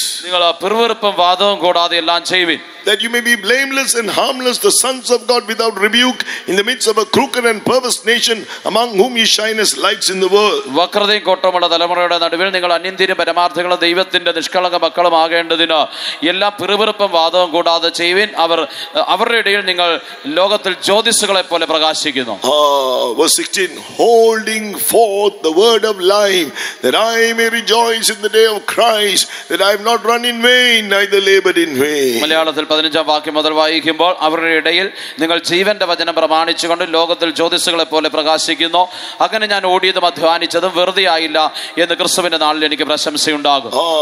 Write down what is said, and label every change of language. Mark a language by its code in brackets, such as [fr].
[ml] നിങ്ങൾ പിറുപിറുപ്പും വാദവും കൂടാതെ എല്ലാം ചെയ്യുവിൻ. [en] That you may be blameless and harmless, the sons of God without rebuke, in the midst of a crooked and perverse nation, among whom you shine as lights in the world. [ml] വക്രതയും കോട്ടമുള്ള തലമുറയുടെ നടുവിൽ നിങ്ങൾ അനിന്ദ്യരും പരമാർത്ഥികളും ദൈവത്തിന്റെ നിഷ്കളങ്ക മക്കളും ആകേണ്ടതിന് എല്ലാം പിറുപിറുപ്പും വാദവും കൂടാതെ ചെയ്യുവിൻ. അവരുടെ ഇടയിൽ നിങ്ങൾ ലോകത്തിൽ ജ്യോതിസുകളെ പോലെ പ്രകാശിക്കുന്നു. [en] Verse 16, holding forth the word of life, that I may rejoice in the day of Christ, that I have not run in vain, neither labored in vain. [ml] പതിനഞ്ചാം വാക്യം മുതൽ വായിക്കുമ്പോൾ അവരുടെ ഇടയിൽ നിങ്ങൾ ജീവന്റെ വചനം പ്രമാണിച്ചുകൊണ്ട് ലോകത്തിൽ ജ്യോതിസുകളെ പോലെ പ്രകാശിക്കുന്നു. അങ്ങനെ ഞാൻ ഓടിയതും അധ്വാനിച്ചതും വെറുതെയായില്ല എന്ന് ക്രിസ്തുവിന്റെ നാളിൽ എനിക്ക് പ്രശംസയുണ്ടാകും.